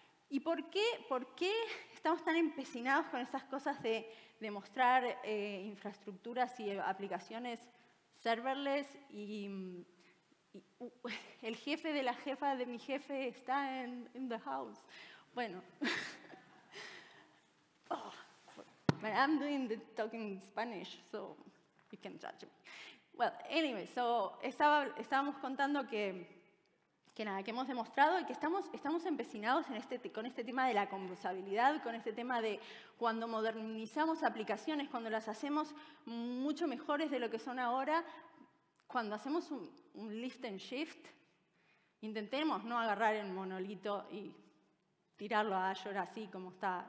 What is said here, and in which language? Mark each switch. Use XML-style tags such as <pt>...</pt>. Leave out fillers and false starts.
<es>¿Y por qué estamos tan empecinados con esas cosas de mostrar infraestructuras y aplicaciones serverless? Y el jefe de la jefa de mi jefe está en</es> <en>the house.</en> <es>Bueno. Oh.</es> <en>But I'm doing the talking in Spanish, so you can judge me. Well, anyway,</en> <es>so estábamos contando que que nada, que hemos demostrado y que estamos empecinados en con este tema de la composabilidad, con este tema de cuando modernizamos aplicaciones, cuando las hacemos mucho mejores de lo que son ahora, cuando hacemos un lift and shift, intentemos no agarrar el monolito y tirarlo a Azure así como está.</es>